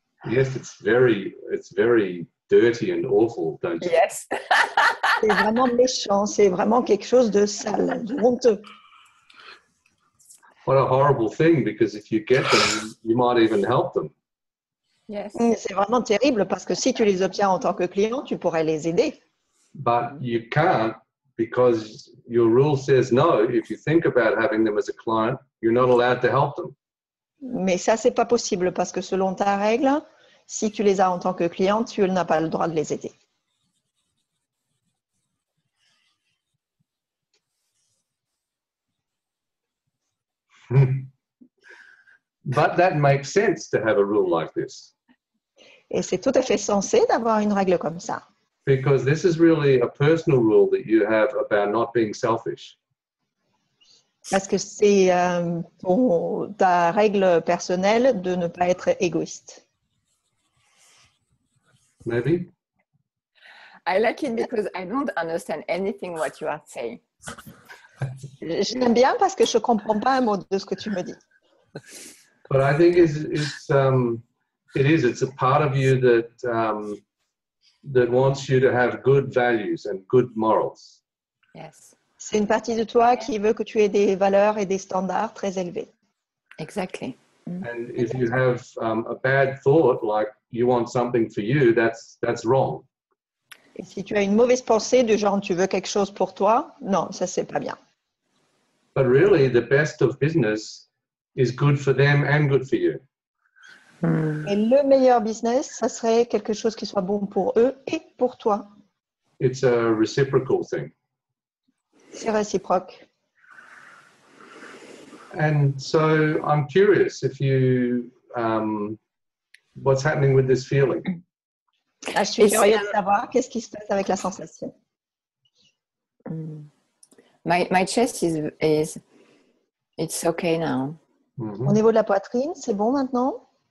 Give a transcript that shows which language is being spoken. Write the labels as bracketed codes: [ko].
[en] Yes, it's very dirty and awful, don't you? Yes. [fr] C'est vraiment méchant, c'est vraiment quelque chose de sale, de honteux. [en] What a horrible thing, because if you get them, you might even help them. Yes. [fr] C'est vraiment terrible parce que si tu les obtiens en tant que client, tu pourrais les aider. [en] But you can't because your rule says no. If you think about having them as a client, you're not allowed to help them. [fr] Mais ça, c'est pas possible parce que selon ta règle, si tu les as en tant que client, tu n'as pas le droit de les aider. [en] But that makes sense to have a rule like this. [fr] Et c'est tout à fait sensé d'avoir une règle comme ça. [en] Because this is really a personal rule that you have about not being selfish. [fr] Parce que c'est ta règle personnelle de ne pas être égoïste. [en] Maybe. I like it because I don't understand anything what you are saying. [fr] J'aime bien parce que je comprends pas un mot de ce que tu me dis. [en] But I think it's a part of you that wants you to have good values and good morals. Yes. [fr] C'est une partie de toi qui veut que tu aies des valeurs et des standards très élevés. [en] Exactly. And if you have a bad thought, like you want something for you, that's wrong. [fr] Et si tu as une mauvaise pensée du genre tu veux quelque chose pour toi, non, ça c'est pas bien. [en] But really, the best of business is good for them and good for you. [fr] Et le meilleur business, ça serait quelque chose qui soit bon pour eux et pour toi. [en] It's a reciprocal thing. [fr] C'est réciproque. [en] And so I'm curious if you what's happening with this feeling? [fr] Là, je suis curieuse de savoir qu'est-ce qui se passe avec la sensation. [en] My chest is it's okay now. [fr] Mm-hmm. Au niveau de la poitrine, c'est bon maintenant?